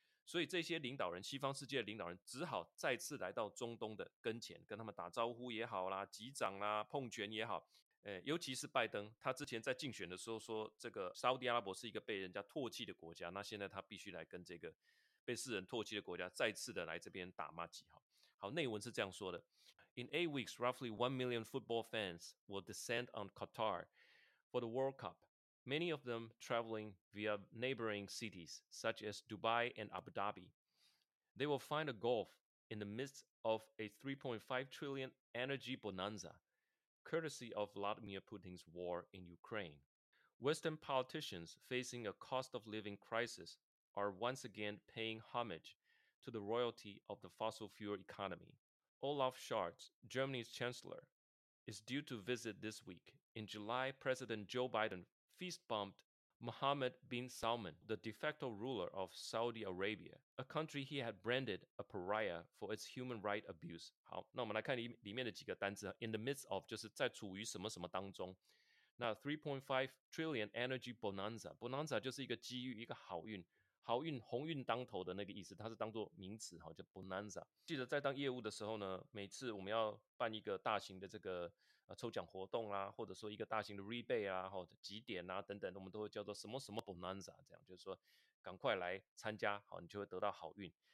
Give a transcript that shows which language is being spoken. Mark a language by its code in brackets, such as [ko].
[zh] 所以这些领导人，西方世界的领导人只好再次来到中东的跟前，跟他们打招呼也好啦，击掌啦，碰拳也好。尤其是拜登，他之前在竞选的时候说这个沙烏地阿拉伯是一个被人家唾弃的国家，那现在他必须来跟这个被世人唾弃的国家再次的来这边打骂几号。好，内文是这样说的， [en] In 8 weeks, roughly 1 million football fans will descend on Qatar for the World Cup, many of them traveling via neighboring cities such as Dubai and Abu Dhabi. They will find a gulf in the midst of a 3.5 trillion energy bonanza. Courtesy of Vladimir Putin's war in Ukraine. Western politicians facing a cost of living crisis are once again paying homage to the royalty of the fossil fuel economy. Olaf Scholz, Germany's chancellor, is due to visit this week. In July, President Joe Biden fist bumped Mohammed bin Salman, the de facto ruler of Saudi Arabia, a country he had branded a pariah for its human rights abuse. [zh] 好，那我们来看里面的几个单字。 [en] In the midst of [zh] 就是在处于什么什么当中。那 [en] 3.5 trillion energy bonanza, [zh] bonanza 就是一个机遇，一个好运，好运鸿运当头的那个意思，它是当作名词，好，叫 bonanza。记得在当业务的时候呢，每次我们要办一个大型的这个抽奖活动啊，或者说一个大型的 rebate 啊，或者几点啊等等，我们都会叫做什么什么 bonanza， 这样就是说赶快来参加，好，你就会得到好运。